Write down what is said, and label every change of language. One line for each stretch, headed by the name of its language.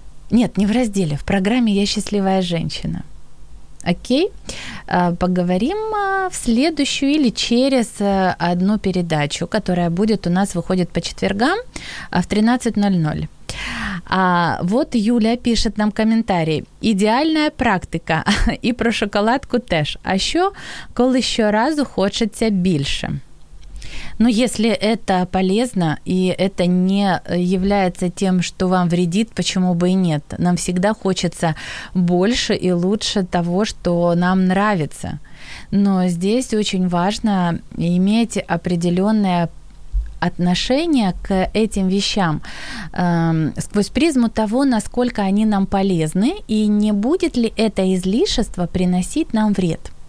Russian: Нет, не в разделе, в программе «Я счастливая женщина». Окей? Поговорим в следующую или через одну передачу, которая будет у нас, выходит по четвергам в 13:00. А вот Юля пишет нам комментарий.
Ukrainian: Ідеальна практика. І про шоколадку теж. А що, коли щоразу хочеться більше?
Russian: Ну, если это полезно, и это не является тем, что вам вредит, почему бы и нет? Нам всегда хочется больше и лучше того, что нам нравится. Но здесь очень важно иметь определенное отношение к этим вещам сквозь призму того, насколько они нам полезны, и не будет ли это излишество приносить нам вред.